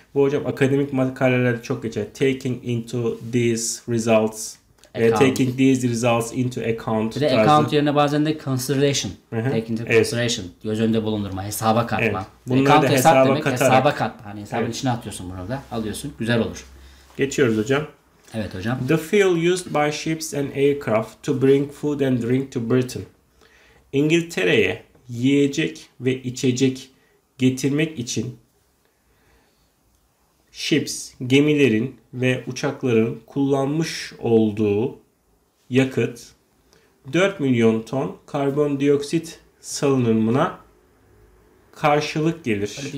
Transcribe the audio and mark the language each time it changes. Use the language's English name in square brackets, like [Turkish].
[Turkish] Bu hocam akademik makalelerde çok geçer. [English] Taking into these results. Taking these results into account. [Turkish] Bir de account yerine bazen de consideration. [English] Take into consideration. [Turkish] Evet. Göz önünde bulundurma. Hesaba katma. Evet. [English] Account [Turkish] de hesap demek. Katarak. Hesaba katma. Hani hesabın evet. İçine atıyorsun bunu da. Alıyorsun. Güzel olur. Geçiyoruz hocam. Evet hocam. [English] The fuel used by ships and aircraft to bring food and drink to Britain. [Turkish] İngiltere'ye yiyecek ve içecek getirmek için ships, gemilerin ve uçakların kullanmış olduğu yakıt 4 milyon ton karbondioksit salınımına karşılık gelir.